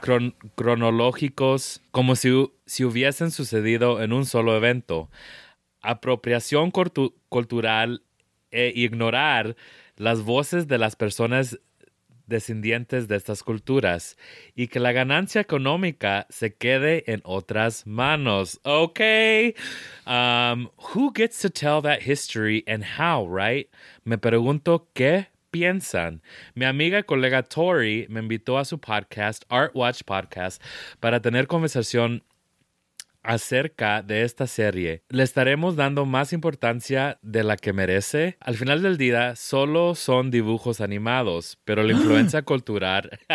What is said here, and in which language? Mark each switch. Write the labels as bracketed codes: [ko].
[es] Cronológicos como si hubiesen sucedido en un solo evento. Apropiación cultural e ignorar las voces de las personas descendientes de estas culturas y que la ganancia económica se quede en otras manos. [en] Okay. Who gets to tell that history and how, right? [es] Me pregunto qué piensan. Mi amiga y colega Tori me invitó a su podcast, Art Watch Podcast, para tener conversación acerca de esta serie. Le estaremos dando más importancia de la que merece. Al final del día, solo son dibujos animados, pero la influencia cultural...